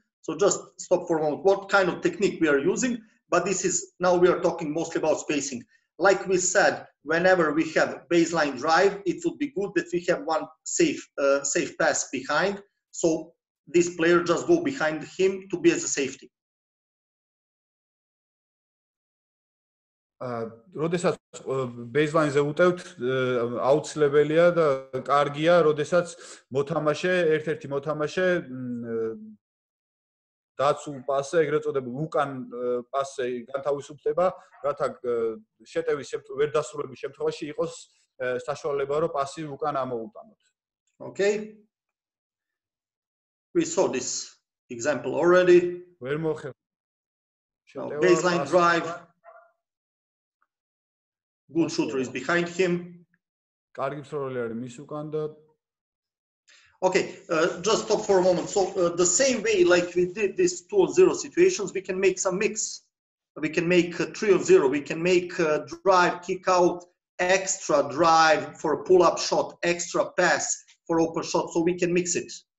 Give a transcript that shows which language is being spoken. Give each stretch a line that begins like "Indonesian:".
English: So just stop for a moment. What kind of technique we are using? But this is, now we are talking mostly about spacing. Like we said, whenever we have baseline drive, it would be good that we have one safe pass behind. So this player just go behind him to be as a safety.
Georgian: როდესაც baseline-ზე უტევთ, აუცილებელია და კარგია, როდესაც მოთამაშე, ერთ-ერთი მოთამაშე დაცულ პასზე, ეგრეთ წოდებულ უკან პასზე განთავისუფლდება, რათა შეტევის ვერ დასრულების შემთხვევაში იყოს საშუალება, რომ პასი უკან ამოუტანოთ.
English: Okay. We saw this example already.
Georgian: ვერ მოხერხ.
English: Baseline drive. Good shooter is behind him.
Georgian: კარგი მსროლელი არის მის უკან და
English: Okay, just stop for a moment. So the same way like we did this 2-0 situations, we can make some mix. we can make a 3-0, we can make a drive, kick out, extra drive for a pull-up shot, extra pass for open shot, so we can mix it.